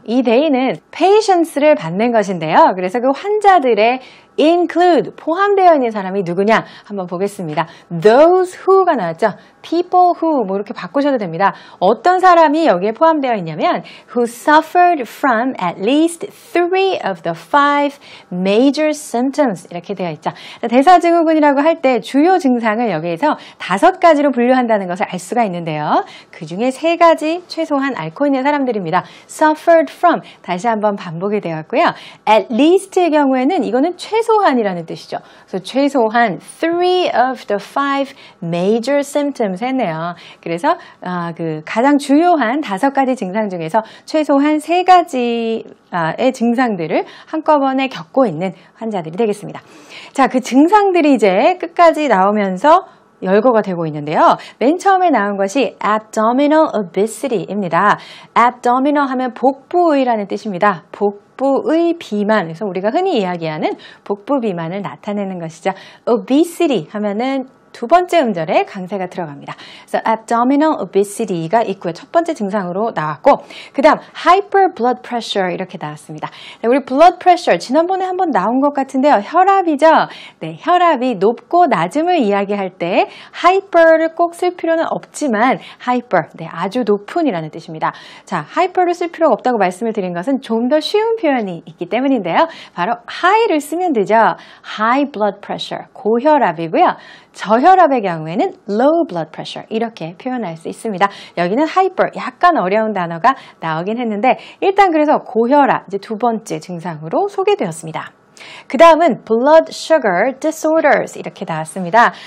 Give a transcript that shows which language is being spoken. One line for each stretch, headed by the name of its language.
Korean: 이 they는 patients를 받는 것인데요. 그래서 그 환자들의 include, 포함되어 있는 사람이 누구냐 한번 보겠습니다. Those who가 나왔죠. People who, 뭐 이렇게 바꾸셔도 됩니다. 어떤 사람이 여기에 포함되어 있냐면
English: who suffered from at least three of the five major symptoms
Korean: 이렇게 되어 있죠. 대사증후군이라고 할 때 주요 증상을 여기에서 다섯 가지로 분류한다는 것을 알 수가 있는데요. 그 중에 세 가지 최소한 앓고 있는 사람들입니다. Suffered from, 다시 한번 반복이 되었고요. At least의 경우에는 이거는 최소한이라는 뜻이죠. 그래서 최소한
English: three of the five major symptoms
Korean: 했네요. 그래서 그 가장 주요한 다섯 가지 증상 중에서 최소한 세 가지의 증상들을 한꺼번에 겪고 있는 환자들이 되겠습니다. 자, 그 증상들이 이제 끝까지 나오면서 열거가 되고 있는데요. 맨 처음에 나온 것이 abdominal obesity입니다. abdominal 하면 복부의라는 뜻입니다. 복부의 비만, 그래서 우리가 흔히 이야기하는 복부 비만을 나타내는 것이죠. obesity 하면은 두 번째 음절에 강세가 들어갑니다. 그래서 abdominal obesity가 있고요. 첫 번째 증상으로 나왔고 그 다음 hyper blood pressure 이렇게 나왔습니다. 네, 우리 blood pressure 지난번에 한번 나온 것 같은데요. 혈압이죠? 네, 혈압이 높고 낮음을 이야기할 때 hyper를 꼭 쓸 필요는 없지만 hyper, 네, 아주 높은이라는 뜻입니다. 자, hyper를 쓸 필요가 없다고 말씀을 드린 것은 좀 더 쉬운 표현이 있기 때문인데요. 바로 high를 쓰면 되죠.
English: high blood pressure,
Korean: 고혈압이고요. 저혈압의 경우에는 low blood pressure 이렇게 표현할 수 있습니다. 여기는 hyper, 약간 어려운 단어가 나오긴 했는데 일단 그래서 고혈압, 이제 두 번째 증상으로 소개되었습니다. 그 다음은 blood sugar disorders 이렇게 나왔습니다.